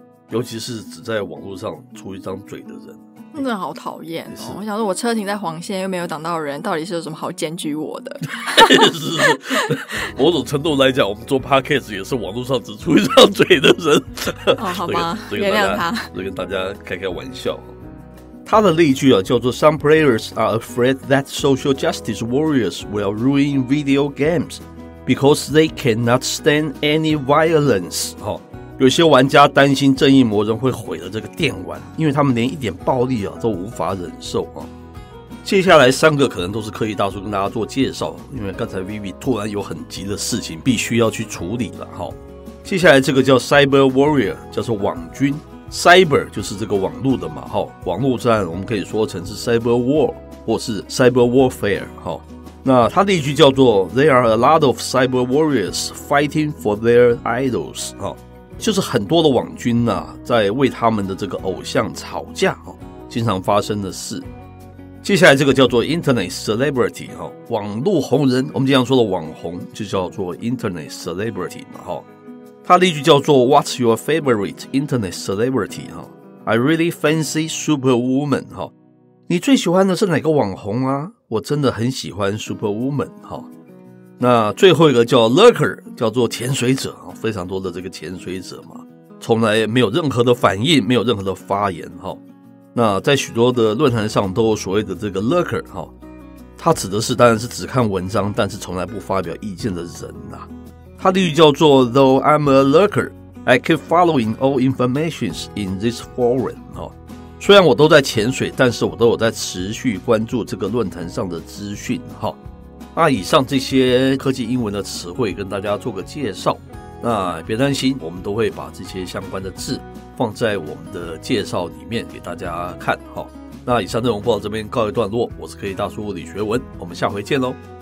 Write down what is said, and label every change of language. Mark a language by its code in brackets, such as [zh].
[zh] 尤其是只在网络上出一张嘴的人。真的好讨厌哦！我想说我车停在黄线又没有挡到人，到底是有什么好检举我的？是是，某种程度来讲我们做 podcast 也是网络上只出一张嘴的人好吗？原谅他，就跟大家开开玩笑。他的例句啊叫做 [en] Some players are afraid that social justice warriors will ruin video games because they cannot stand any violence。 [zh] 有些玩家担心正义魔人会毁了这个电玩，因为他们连一点暴力啊都无法忍受啊。接下来三个可能都是科技大叔跟大家做介绍，因为刚才 Vivi 突然有很急的事情必须要去处理了。接下来这个叫 Cyber Warrior， 叫做网军。Cyber 就是这个网络的嘛。网络战我们可以说成是 Cyber War 或是 Cyber Warfare。那他的一句叫做 [en] There are a lot of Cyber Warriors fighting for their idols。 [zh] 就是很多的网军啊在为他们的这个偶像吵架，经常发生的事。接下来这个叫做 Internet Celebrity。网络红人，我们经常说的网红就叫做 Internet Celebrity 嘛。他的例句叫做 [en] What's your favorite internet celebrity? I really fancy superwoman. [zh] 你最喜欢的是哪个网红啊？我真的很喜欢 superwoman. 那最后一个叫 lurker, 叫做潜水者，非常多的这个潜水者嘛，从来没有任何的反应，没有任何的发言。那在许多的论坛上都有所谓的这个 lurker, 他指的是当然是只看文章但是从来不发表意见的人啊。他例句叫做 [en] Though I'm a lurker, I keep following all information in this forum. [zh] 虽然我都在潜水，但是我都有在持续关注这个论坛上的资讯。那以上这些科技英文的词汇跟大家做个介绍，那别担心，我们都会把这些相关的字放在我们的介绍里面给大家看。那以上内容播到这边告一段落，我是科技大叔李学文，我们下回见咯。